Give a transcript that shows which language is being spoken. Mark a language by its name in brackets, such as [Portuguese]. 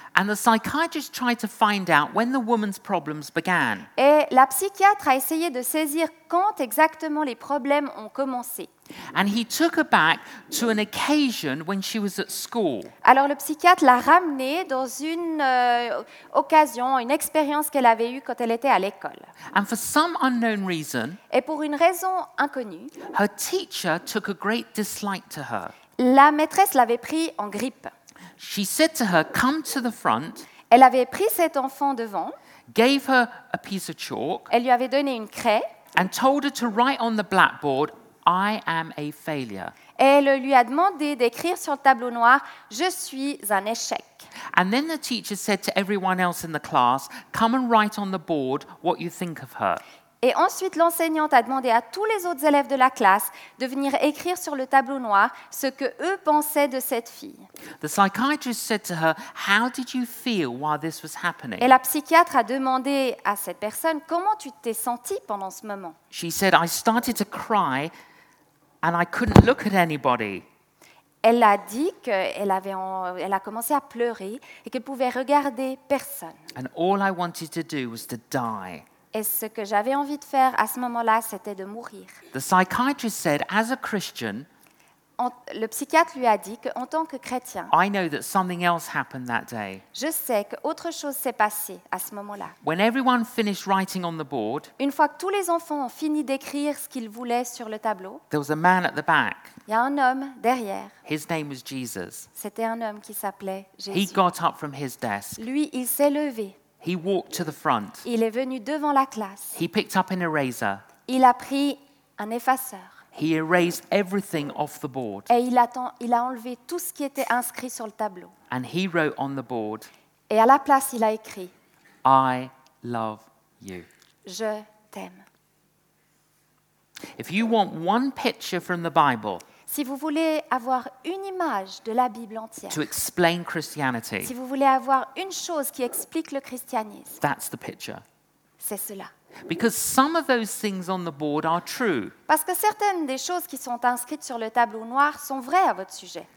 [English] And the psychiatrist tried to find out when the woman's problems began. [French] Et la psychiatre a essayé de saisir quand exactement les problèmes ont commencé. [English] And he took her back to an occasion when she was at school. [French] Alors le psychiatre l'a ramenée dans une occasion, une expérience qu'elle avait eue quand elle était à l'école. [English] And for some unknown reason, [French] et pour une raison inconnue, [English] her teacher took a great dislike to her. [French] La maîtresse l'avait pris en grippe. [English] She said to her, "Come to the front." [French] Elle avait pris cet enfant devant. [English] Gave her a piece of chalk. [French] Elle lui avait donné une craie. [English] And told her to write on the blackboard, "I am a failure." [French] Elle lui a demandé d'écrire sur le tableau noir, "Je suis un échec." [English] And then the teacher said to everyone else in the class, "Come and write on the board what you think of her." [French] Et ensuite l'enseignante a demandé à tous les autres élèves de la classe de venir écrire sur le tableau noir ce que eux pensaient de cette fille. [English] The psychiatrist said to her, "How did you feel while this was happening?" [French] Et la psychiatre a demandé à cette personne, "Comment tu t'es sentie pendant ce moment?" [English] She said, "I started to cry and I couldn't look at anybody." [French] Elle a dit qu'elle avait elle a commencé à pleurer et qu'elle pouvait regarder personne. [English] And all I wanted to do was to die. [French] Et ce que j'avais envie de faire à ce moment-là, c'était de mourir. [English] The psychiatrist said, as a Christian, [French] le psychiatre lui a dit qu'en tant que chrétien, [English] I know that something else happened that day. [French] Je sais qu'autre chose s'est passée à ce moment-là. [English] When everyone finished writing on the board, [French] une fois que tous les enfants ont fini d'écrire ce qu'ils voulaient sur le tableau, [English] there was a man at the back. [French] Il y a un homme derrière. [English] His name was Jesus. [French] C'était un homme qui s'appelait Jésus. [English] He got up from his desk. [French] Lui, il s'est levé. [English] He walked to the front. [French] Il est venu devant la classe. [English] He picked up an eraser. [French] Il a pris un effaceur. [English] He erased everything off the board. [French] Et il a enlevé tout ce qui était inscrit sur le tableau. [English] And he wrote on the board. [French] Et à la place, il a écrit, [English] "I love you." [French] Je t'aime. [English] If you want one picture from the Bible, [French] si vous voulez avoir une image de la Bible entière, [English] to explain Christianity, [French] si vous voulez avoir une chose qui explique le christianisme, [English] that's the picture. [French] C'est cela. [English] Because some of those things on the board are true. [French] Parce que certaines des choses qui sont inscrites sur le tableau noir sont vraies à votre sujet.